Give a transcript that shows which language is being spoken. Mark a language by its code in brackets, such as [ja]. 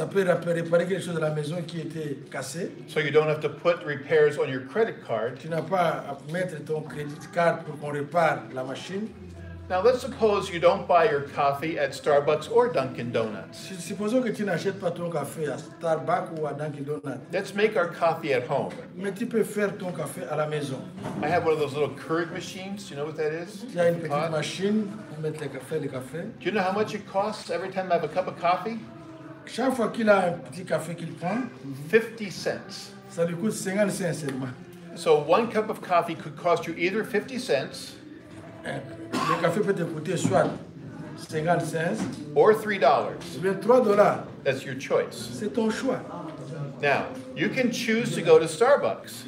[fr] Ça peut réparer quelque chose de la maison qui était cassé. [en] So you don't have to put repairs on your credit card. [fr] Tu n'as pas à mettre ton credit card pour qu'on répare la machine. [en] Now let's suppose you don't buy your coffee at Starbucks or Dunkin' Donuts. [fr] Supposons que tu n'achètes pas ton café à Starbucks ou à Dunkin' Donuts. [en] Let's make our coffee at home. [fr] Mais tu peux faire ton café à la maison. [en] I have one of those little Keurig machines. You know what that is? [fr] Tu as une petite machine pour mettre le café. [en] Do you know how much it costs every time I have a cup of coffee? [fr] Chaque fois qu'il a un petit café qu'il prend. [en] 50 cents. [fr] Ça lui coûte 50 cents seulement. [en] So one cup of coffee could cost you either 50 cents. [fr] Le café peut te coûter soit 50 cents [en] or $3. [fr] Ou bien $3. [en] That's your choice. [fr] C'est ton choix. [en] Now, you can choose to go to Starbucks.